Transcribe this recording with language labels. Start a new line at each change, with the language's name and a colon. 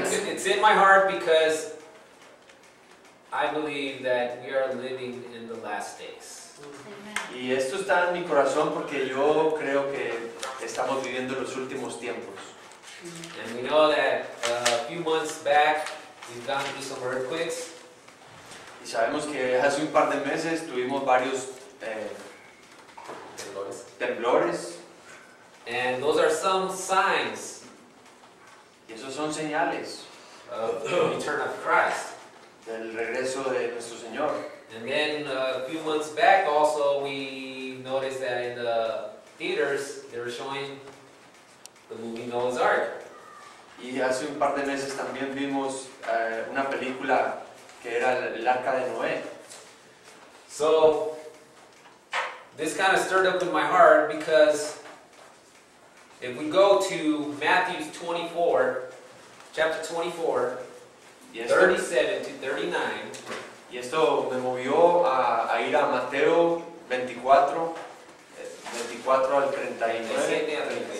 English: It's in my heart because I believe that we are living in the last days.
Spanish: Y esto está en mi corazón porque yo creo que estamos viviendo los últimos tiempos.
English: And we know that a few months back we've gone through some earthquakes.
Spanish: Y sabemos que hace un par de meses tuvimos varios temblores.
English: And those are some signs.
Spanish: Y esos son señales.
English: Of the return of Christ.
Spanish: Del regreso de nuestro Señor.
English: And then a few months back also we noticed that in the theaters they were showing the movie Noah's Ark.
Spanish: Y hace un par de meses también vimos una película que era El Arca de Noé.
English: So this kind of stirred up in my heart because if we go to Matthew 24, 37 to 39.
Spanish: Y esto me movió a ir a Mateo 24 al 39.